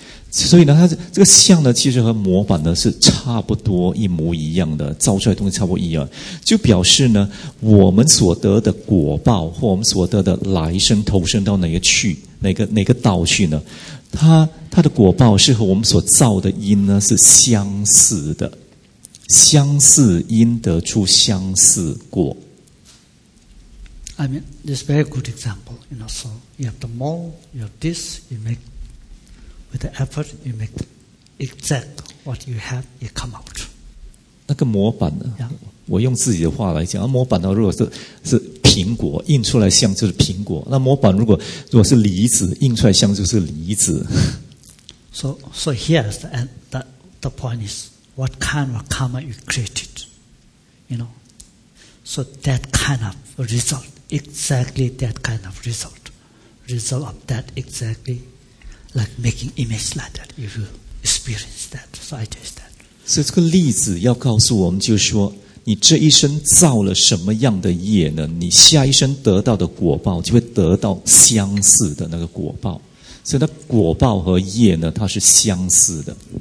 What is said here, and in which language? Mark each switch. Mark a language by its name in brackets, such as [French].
[Chinese] 所以呢，它这个像呢，其实和模板呢是差不多一模一样的，造出来的东西差不多一样，就表示呢，我们所得的果报或我们所得的来生投生到哪个去，哪个道去呢？它的果报是和我们所造的因呢是相似的，相似因得出相似果。 [English] I mean, this is a very good example. You know, so you have the mold, you have this, you make. With the effort, you make exact what you have, you come out. [Chinese] 那个模板呢？Yeah. 我用自己的话来讲，模板呢，如果 是苹果印出来像就是苹果，那模板如果是梨子印出来像就是梨子。 [English] So here's the point is what kind of karma you created, you know. So that kind of result, exactly that kind of result, result of that exactly. Like making image like that, if you experience that, so I just that. [Chinese] 所以这个例子要告诉我们，就是说，你这一生造了什么样的业呢？你下一生得到的果报就会得到相似的那个果报。所以，那果报和业呢，它是相似的。